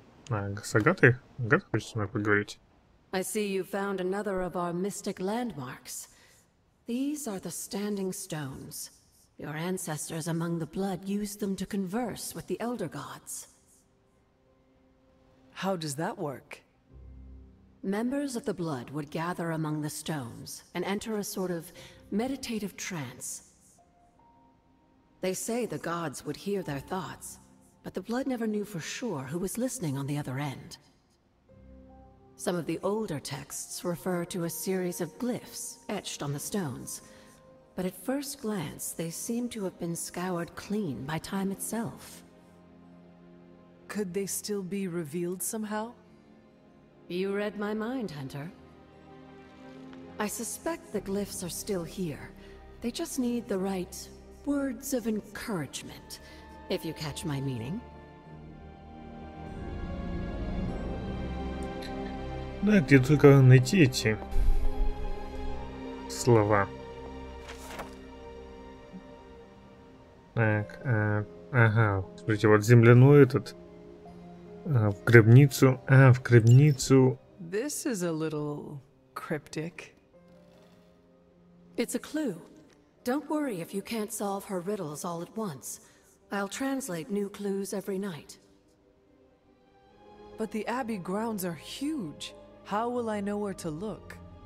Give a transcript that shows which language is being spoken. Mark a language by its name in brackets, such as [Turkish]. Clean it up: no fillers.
[Russian] А, с Агатой? Агата хочет со мной поговорить? [English] I see you found another of our mystic landmarks. These are the standing stones. Your ancestors among the blood used them to converse with the elder gods. How does that work? Members of the blood would gather among the stones and enter a sort of meditative trance. They say the gods would hear their thoughts, but the blood never knew for sure who was listening on the other end. Some of the older texts refer to a series of glyphs etched on the stones, but at first glance, they seem to have been scoured clean by time itself. Could they still be revealed somehow? You read my mind, Hunter. I suspect the glyphs are still here. They just need the right words of encouragement, if you catch my meaning. [Russian] Да, где только найти эти слова. Так, ага, смотрите, вот земляной этот. В гробницу, в гробницу. [English] This is a little cryptic. It's a clue. Don't worry if you can't solve her riddles all at once. I'll translate new clues every night. But the abbey grounds are huge. How will I know where to look?